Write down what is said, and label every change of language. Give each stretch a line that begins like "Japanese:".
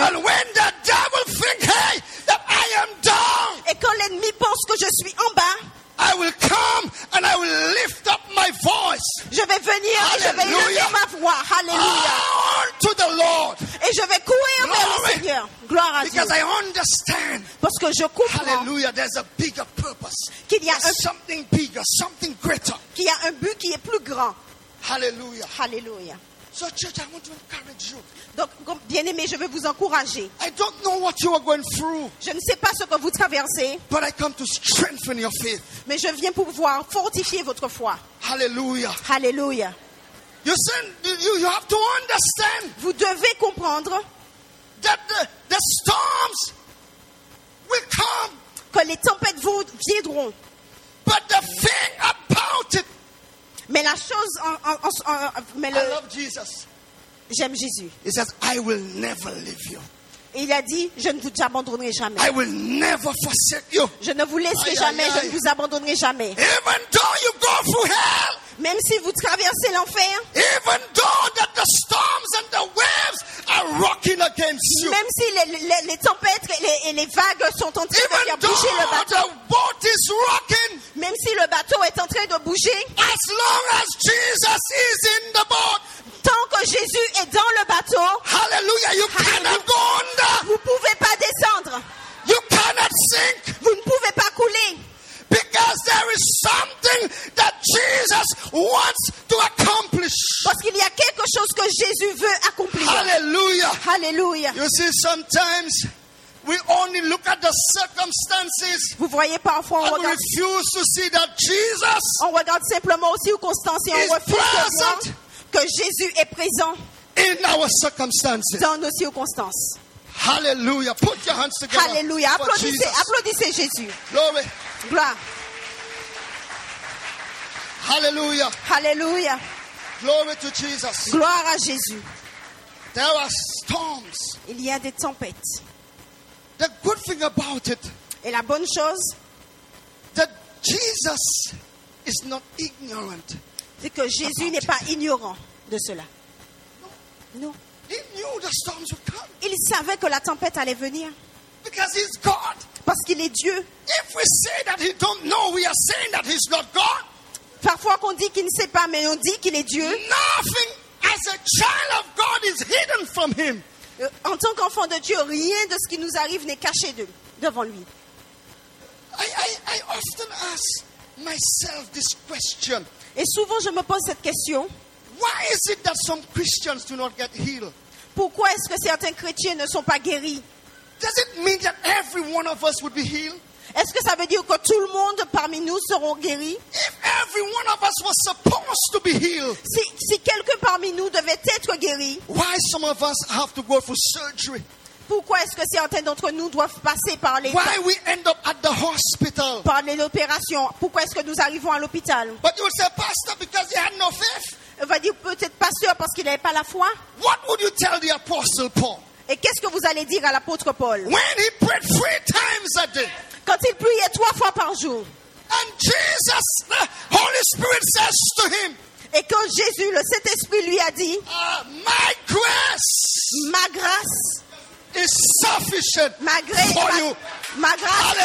English: And when the devil thinks, hey, that I am down.
French: Et quand l'ennemi pense que je suis en bas,
English: I will come and I will lift up my voice.
French: Je vais venir.
English: Hallelujah.
French: Et je vais lever ma voix. Hallelujah.
English: All to the Lord.
French: Et je vais courir vers le Seigneur. Gloire à
English: Because
French: Dieu.
English: Because I understand.
French: Parce que je comprends.
English: Hallelujah. There's a bigger purpose.
French: Qu'il y a
English: something bigger, something greater.
French: Qu'il y a un but qui est plus grand.
English: Hallelujah.
French: Hallelujah.
English: So church, I want to encourage you.
French: Donc, bien-aimé, je veux vous encourager.
English: I don't know what you are going through.
French: Je ne sais pas ce que vous traversez.
English: But I come to strengthen your faith.
French: Mais je viens pour pouvoir fortifier votre foi.
English: Hallelujah.
French: Hallelujah.
English: You see, you have to understand.
French: Vous devez comprendre
English: that the storms will come.
French: Que les tempêtes vous viendront.
English: But the thing about it.
French: Mais la chose
English: I love Jesus.
French: J'aime Jésus.
English: He says, "I will never leave you."
French: Il a dit, je ne vous abandonnerai jamais.
English: I will never forsake you.
French: Je ne vous laisserai jamais. Je ne vous abandonnerai jamais.
English: Even though you go through hell.
French: Même si vous traversez l'enfer.
English: Even though that the storms and the waves are rocking against you.
French: Même si les tempêtes et les vagues sont en train
English: Even
French: de faire bouger le bateau.
English: The boat is rocking.
French: Même si le bateau est en train de bouger.
English: As long as Jesus is in the boat.
French: Tant que Jésus est dans le bateau.
English: Hallelujah, you cannot go under.
French: Vous ne pouvez pas descendre.
English: You cannot sink.
French: Vous ne pouvez pas couler.
English: Because there is something that Jesus wants to accomplish.
French: Parce qu'il y a quelque chose que Jésus veut accomplir.
English: Hallelujah.
French: Hallelujah.
English: You see, sometimes we only look at the circumstances.
French: Vous voyez parfois,
English: and we refuse to see that Jesus.
French: On regarde simplement aussi aux circonstances et on refuse que Jésus est présent
English: in our circumstances.
French: Dans nos circonstances.
English: Hallelujah. Put your hands together.
French: Hallelujah. Applaudissez Jésus.
English: Glory.
French: Gloire.
English: Hallelujah.
French: Hallelujah.
English: Glory to Jesus.
French: Gloire à Jésus.
English: There are storms.
French: Il y a des tempêtes.
English: The good thing about it.
French: Et la bonne chose.
English: That Jesus is not ignorant.
French: C'est que Jésus n'est pas ignorant de cela.
English: Non. He knew the storms would come.
French: Il savait que la tempête allait venir.
English: Because he's God.
French: Parce qu'il est Dieu.
English: If we say that he don't know, we are saying that he's not God.
French: Parfois qu'on dit qu'il ne sait pas, mais on dit qu'il est Dieu.
English: Nothing as a child of God is hidden from him.
French: En tant qu'enfant de Dieu, rien de ce qui nous arrive n'est caché devant lui.
English: I often ask myself this question.
French: Et souvent je me pose cette question.
English: Why is it that some Christians do not get healed?
French: Pourquoi est-ce que certains chrétiens ne sont pas guéris?
English: Does it mean that every one of us would be healed?
French: Est-ce que ça veut dire que tout le monde parmi nous seront guéris?
English: If every one of us was supposed to be healed.
French: Si quelqu'un parmi nous devait être guéri.
English: Why some of us have to go for surgery?
French: Pourquoi est-ce que certains d'entre nous doivent passer par les
English: Why we end up at the hospital?
French: Par les opérations. Pourquoi est-ce que nous arrivons à l'hôpital?
English: But you would say, Pastor, because he had no faith.
French: On va dire peut-être pasteur parce qu'il n'avait pas la foi.
English: What would you tell the apostle Paul?
French: Et qu'est-ce que vous allez dire à l'apôtre Paul?
English: When he prayed three times a day.
French: Quand il priait trois fois par jour.
English: And Jesus, the Holy Spirit says to him.
French: Et quand Jésus, le Saint-Esprit, lui a dit.
English: My grace.
French: Ma grâce.
English: Is sufficient for you.
French: Ma grâce.